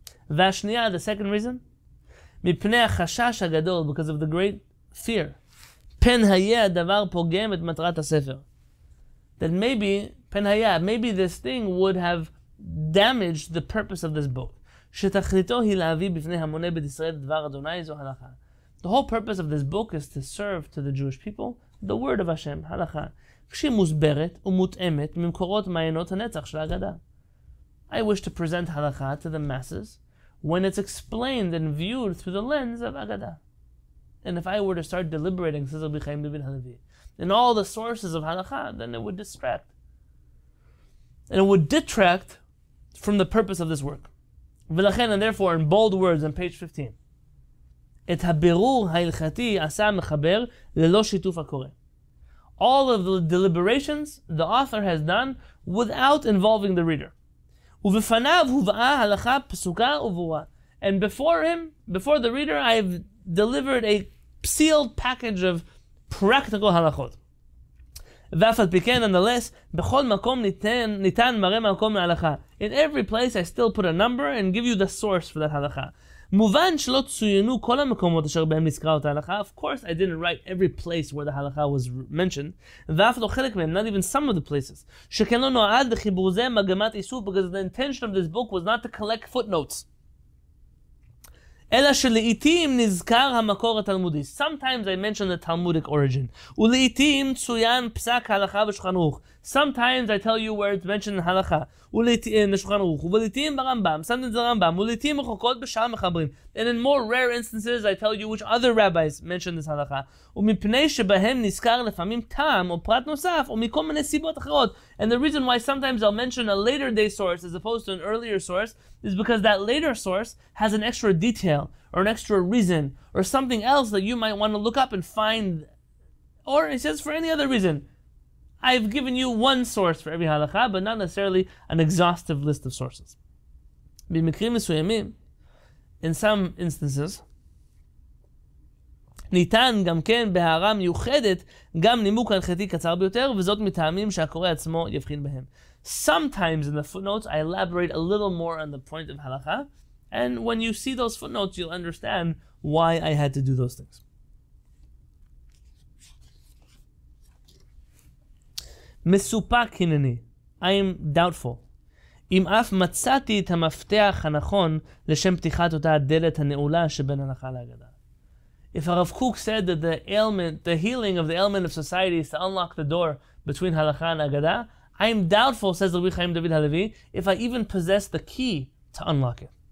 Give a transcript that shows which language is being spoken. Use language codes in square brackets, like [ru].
[he] והשנייה, [en] the second reason, [he] מפני החשש הגדול, [en] because of the great fear, [he] פן היה הדבר פוגם את מטרת הספר. [en] That maybe, [he] פן היה, [en] maybe this thing would have damaged the purpose of this book. [he] שתכליתו היא להביא בפני המוני בית ישראל דבר אדוני זו הלכה. [en] The whole purpose of this book is to serve to the Jewish people the word of Hashem, [he] הלכה, כשהיא מוסברת ומותאמת ממקורות מעיינות הנצח של ההגדה. [en] I wish to present הלכה to the masses when it's explained and viewed through the lens of Agada. And if I were to start deliberating, says Rabbi Chaim Levin Halevi, in all the sources of halakha, then it would distract. And it would detract from the purpose of this work. [he] ולכן, [en] and therefore, in bold words on page 15, [he] את הבירור ההלכתי עשה המחבר ללא שיתוף הקורא. [en] All of the deliberations the author has done without involving the reader. [he] ובפניו הובאה הלכה פסוקה וברורה. [en] And before him, before the reader, I've delivered a sealed package of practical halachot. [he] ואף על פי כן, [en] nonetheless, [he] בכל מקום ניתן מראה מקום להלכה. [en] In every place I still put a number and give you the source for that halacha. [he] מובן שלא צוינו כל המקומות אשר בהם נזכרה אותה הלכה. [en] Of course I didn't write every place where the halacha was mentioned. [he] ואף לא חלק מהם, [en] not even some of the places. [he] שכן לא נועד לחיבור זה מגמת איסוף, [en] because the intention of this book was not to collect footnotes. [he] אלא שלעיתים נזכר המקור התלמודי. [en] Sometimes I mention the Talmudic origin. [he] ולעיתים צוין פסק הלכה בשולחן ערוך. [en] Sometimes I tell you where it's mentioned in הלכה. [he] ולשולחן ערוך. ולעיתים ברמב״ם. [en] Sometimes the [he] רמב״ם. ולעיתים רחוקות בשאר מחברים. [en] And in more rare instances I tell you which other rabbis mention this הלכה. [he] ומפני שבהם נזכר לפעמים טעם או פרט נוסף או מכל מיני סיבות אחרות. [en] And the reason why sometimes I'll mention a later day source as opposed to an earlier source is because that later source has an extra detail or an extra reason or something else that you might want to look up and find, or it says for any other reason. I've given you one source for every halakha, but not necessarily an exhaustive list of sources. [he] במקרים מסוימים, [en] in some instances, [he] ניתן גם כן בהערה מיוחדת גם נימוק הלכתי קצר ביותר, וזאת מטעמים שהקורא עצמו יבחין בהם. [en] Sometimes in the footnotes, I elaborate a little more on the point of halakha, and when you see those footnotes, you'll understand why I had to do those things. [he] מסופק הנני, [en] I am doubtful, [he] אם אף מצאתי את המפתח הנכון לשם פתיחת אותה הדלת הנעולה שבין הלכה להגדה. [en] If הרב קוק said that the ailment, the healing of the ailment of society is to unlock the door between הלכה להגדה, I am doubtful, says רבי חיים דוד הלוי, if I even possess the key to unlock it.